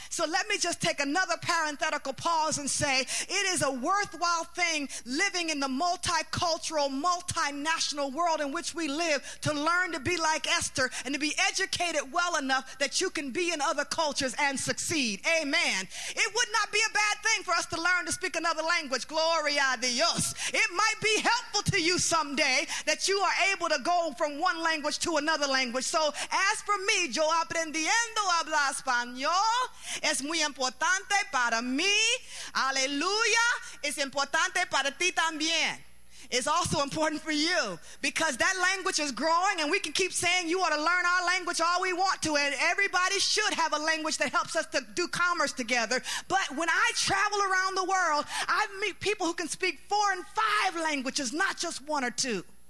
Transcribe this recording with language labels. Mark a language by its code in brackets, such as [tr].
[en] So let me just take another parenthetical pause and say, it is a worthwhile thing living in the multicultural, multinational world in which we live to learn to be like Esther and to be educated well enough that you can be in other cultures and succeed. Amen. It would not be a bad thing for us to learn to speak another language. [es] Gloria a Dios. [en] It might be helpful to you someday that you are able to go from one language to another language. So as for me, [es] yo aprendiendo a hablar español es muy importante para mí. Aleluya. Es importante para ti también. [en] It's also important for you, because that language is growing, and we can keep saying you ought to learn our language all we want to, and everybody should have a language that helps us to do commerce together. But when I travel around the world, I meet people who can speak 4 and 5 languages, not just 1 or 2.